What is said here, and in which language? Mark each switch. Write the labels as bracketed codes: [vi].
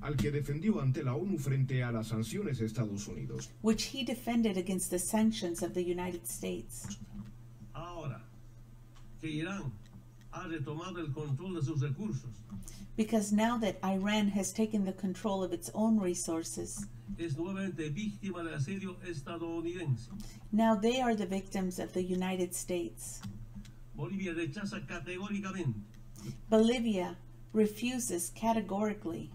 [es] Al que defendió ante la ONU frente a las sanciones de Estados Unidos. [en] Which he defended against the sanctions of the United States. [es] Ahora, que Irán ha retomado el control de sus recursos. [en] Because now that Iran has taken the control of its own resources. [es] Es nuevamente víctima de asedio estadounidense. [en] Now they are the victims of the United States. [es] Bolivia rechaza categóricamente. [en] Bolivia refuses categorically.